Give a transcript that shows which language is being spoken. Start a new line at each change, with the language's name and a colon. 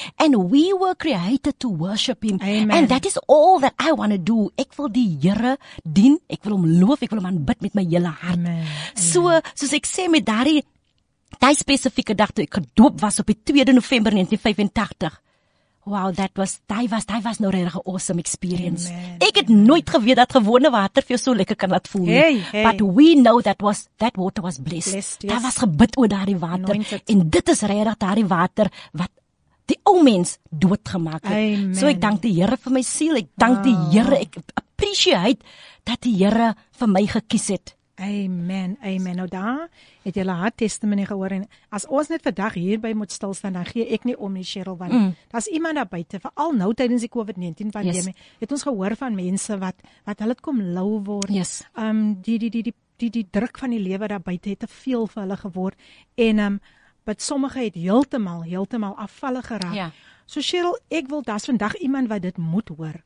English: And we were created to worship Him. Amen. And that is all that I want to do.
Afrikaans: Ek wil die Here dien, ek wil hom loof, ek wil hom aanbid met my hele hart. Amen. So, soos ek sê, met daardie Die spesifieke dag toe ek gedoop was op die 2 November 1985.
English: Wow, that was,
Afrikaans: die was nou regtig 'n awesome experience. Amen. Ek het nooit geweet dat gewone water vir jou so lekker kan laat voel. Hey, hey.
English: But we know that water was blessed. Blessed,
Afrikaans: yes. Daar was gebid oor daardie water. En dit is regtig daardie water wat die ou mens doodgemaak het. Amen. So ek dank die Here vir my siel. Ek dank die Here. Ek appreciate dat die Here vir my gekies het. Amen, amen. Nou daar het jy 'n
English: hard testimony
Afrikaans: gehoor. En as ons net vandag hierby moet stilstaan, dan gee ek nie om nie, Cheryl. Want daar's iemand daar buite, veral nou tydens die COVID-19 pandemie, het ons gehoor van mense wat hulle kom lou word.
English: Yes.
Afrikaans: Die druk van die lewe daar buite het te veel vir hulle geword. En but sommige het heeltemal afvallig geraak. Ja. So Cheryl, ek wil, daar's vandag iemand wat dit moet hoor.